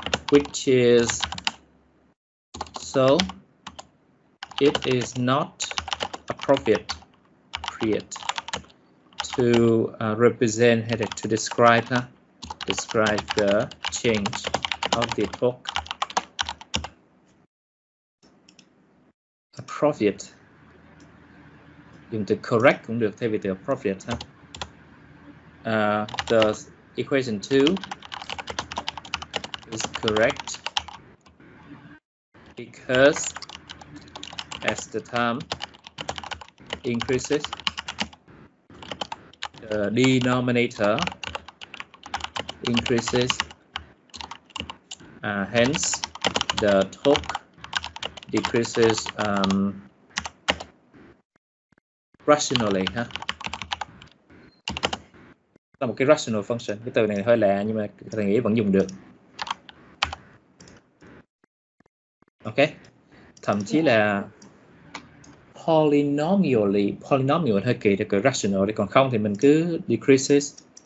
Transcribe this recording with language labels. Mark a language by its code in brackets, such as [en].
[en] Which is so it is not appropriate to represent [vi] hay [en] to describe ha, describe the change of the torque. [vi] Appropriate, dùng từ correct cũng được thay vì từ appropriate ha. [en] The equation 2 is correct because as the time increases, the denominator increases, hence the torque decreases rationally. Huh? [vi] Là một cái rational function. Cái từ này hơi lạ nhưng mà tôi nghĩ vẫn dùng được. Ok, thậm chí là polynomially, polynomial hơi kỳ, được gọi rational đi, còn không thì mình cứ decreases.